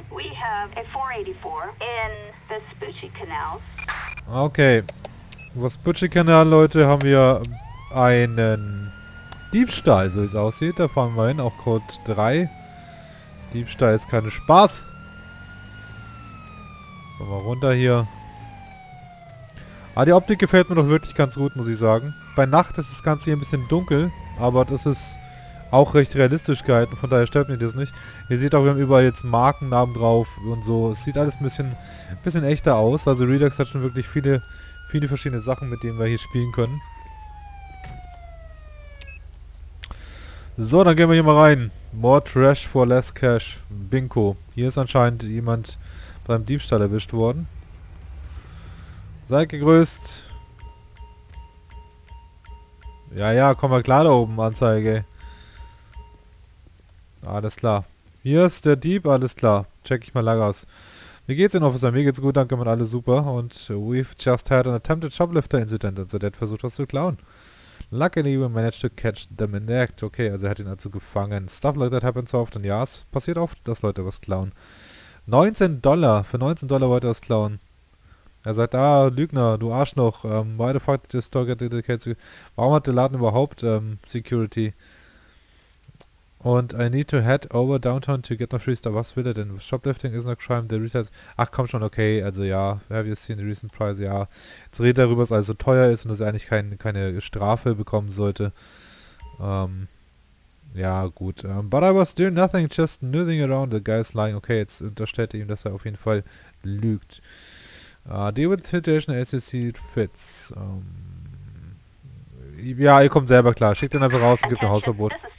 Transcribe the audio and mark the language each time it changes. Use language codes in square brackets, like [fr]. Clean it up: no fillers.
[en] We have a 484 in the Spoochie Canal. Okay. [de] Was Spoochie Canal, Leute, haben wir einen Diebstahl, so wie es aussieht. Da fahren wir hin, auch Code 3. Diebstahl ist kein Spaß. So, mal runter hier. Ah, die Optik gefällt mir doch wirklich ganz gut, muss ich sagen. Bei Nacht ist das Ganze hier ein bisschen dunkel, aber das ist... auch recht realistisch gehalten, von daher stört mich das nicht. Ihr seht auch, wir haben überall jetzt Markennamen drauf und so. Es sieht alles ein bisschen echter aus. Also Redux hat schon wirklich viele, viele verschiedene Sachen, mit denen wir hier spielen können. So, dann gehen wir hier mal rein. [en] More trash for less cash. [de] Bingo. Hier ist anscheinend jemand beim Diebstahl erwischt worden. Seid gegrüßt. Ja, ja, komm mal klar da oben, Anzeige. Alles klar. Hier ist der Dieb, alles klar. Check ich mal lang aus. Wie geht's Ihnen, Officer? Mir geht's gut, danke, man, alle super. Und [en] we've just had an attempted shoplifter incident, [de] also der hat versucht, was zu klauen. [en] Luckily, we managed to catch them in the act. [de] Okay, also er hat ihn dazu gefangen. [en] Stuff like that happens so often. [de] Ja, es passiert oft, dass Leute was klauen. $19. Für $19 wollte er was klauen. Er sagt, ah, Lügner, du Arsch noch. [en] Why the fuck did the store get dedicated to... [de] Warum hat der Laden überhaupt Security? [en] Und I need to head over downtown to get my free stuff. [de] Was will er denn? [en] Shoplifting isn't a crime. The retail... [de] Ach, komm schon, okay. Also ja, [en] have you seen the recent price? [de] Ja. Jetzt redet er darüber, dass alles so teuer ist und dass er eigentlich keine Strafe bekommen sollte. Ja, gut. [en] But I was doing nothing, just nothing around. The guy is lying. [de] Okay, jetzt unterstellt er ihm, dass er auf jeden Fall lügt. [en] Deal with the situation as you see it fits. [de] Ja, ihr kommt selber klar. Schickt ihn einfach raus und gibt ein Hausverbot.